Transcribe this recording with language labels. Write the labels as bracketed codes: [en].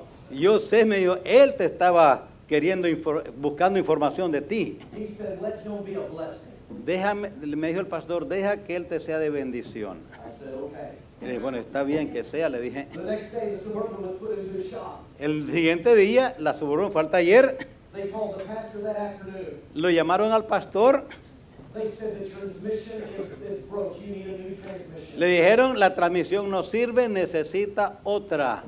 [es] Yo sé, me dijo, él te estaba queriendo buscando información de ti. [en] He said, let him be a blessing. [es] Déjame, me dijo el pastor, deja que él te sea de bendición. [en] I said, okay. [es] Y dije, bueno, está bien que sea, le dije. [en] The next day, the Suburban was put into his shop. [es] El siguiente día, la Suburban fue al taller. [en] They called the pastor that afternoon. [es] Lo llamaron al pastor. [en] They said the transmission is broke. You need a new transmission. [es] Le dijeron, la transmisión no sirve, necesita otra.